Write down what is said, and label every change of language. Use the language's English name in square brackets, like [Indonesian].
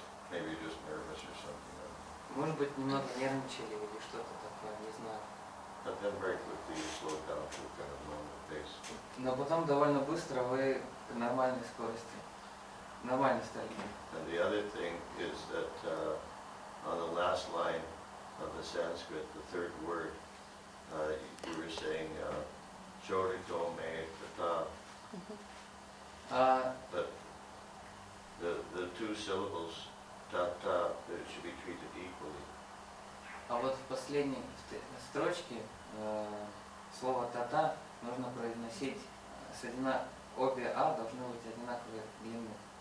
[English] Maybe you're just nervous or something. [Russian] Может быть, немного нервничали или что-то такое, не знаю. [English] But then very quickly you slowed down to a kind of normal pace. [Russian] Но потом довольно быстро вы к нормальной скорости, нормально стали. [English] And the other thing is that on the last line of the Sanskrit, the third word, you were saying chorito me tata. But the two syllables tata, they should be treated equally. [Russian] А вот в последней строчке слово тата нужно произносить с обе а должны быть одинаковые длины.